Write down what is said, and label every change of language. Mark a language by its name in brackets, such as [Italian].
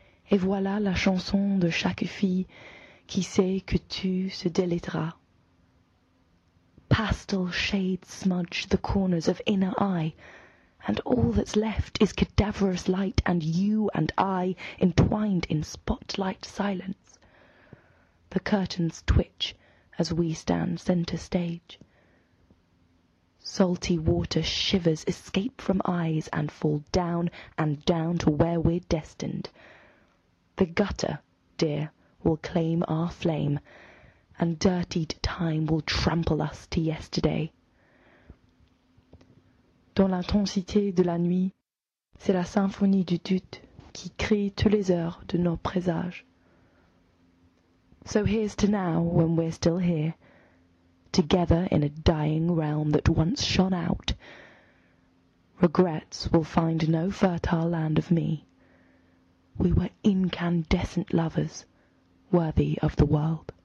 [French] Et voilà la chanson de chaque fille qui sait que tu se délaiteras. [English] Pastel shades smudge the corners of inner eye, and all that's left is cadaverous light and you and I entwined in spotlight silence. The curtains twitch as we stand center stage. Salty water shivers escape from eyes and fall down and down to where we're destined. The gutter, dear, will claim our flame, and dirtied time will trample us to yesterday. [French] Dans l'intensité de la nuit, c'est la symphonie du doute qui crie toutes les heures de nos présages. [English] So here's to now, when we're still here, together in a dying realm that once shone out. Regrets will find no fertile land of me. We were incandescent lovers, worthy of the world.